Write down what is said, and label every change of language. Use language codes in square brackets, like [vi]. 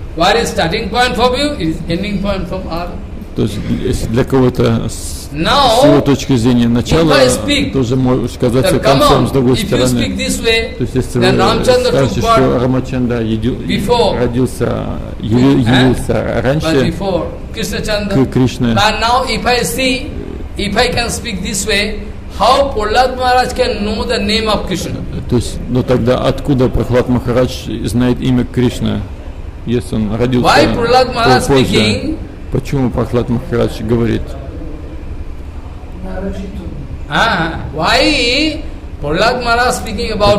[en] What is starting point for you? It is ending point from our. [ru] То есть если для кого-то с его точки зрения начало тоже может сказаться концом с другой стороны. То есть если вы скажете, что Рамачандра родился, явился раньше к Кришне. [en] But now if I see, if I can speak this way, how Prahlad Maharaj can know the name of Krishna? [ru] То есть, ну тогда откуда Прахлад Махарадж знает имя Кришна, если он родился? [en] Why Prahlad Maharaj speaking? [ru] Почему Прахлад Махарадж говорит? [en] Why Prahlad Maharaj speaking about